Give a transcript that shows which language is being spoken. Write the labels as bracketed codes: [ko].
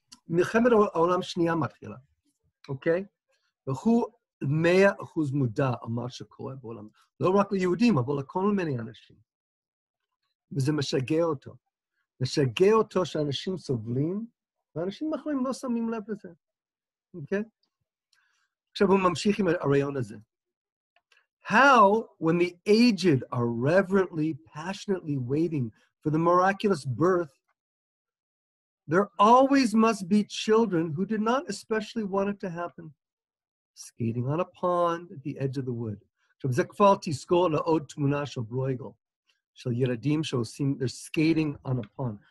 [he] מלחמת העולם השנייה מתחילה. אוקיי? והוא 100% מודע על מה שקורה בעולם. לא רק ליהודים, אבל לכל מיני אנשים. וזה משגע אותו. משגע אותו שאנשים סובלים, ואנשים אחרים לא שמים לב לזה. אוקיי? עכשיו הוא ממשיך עם הרעיון הזה. [en] How, when the aged are reverently, passionately waiting for the miraculous birth, there always must be children who did not especially want it to happen, skating on a pond at the edge of the wood. [he] עכשיו זה כבר תזכור לעוד תמונה של ברויגל, של ילדים שעושים, [en] they're skating on a pond.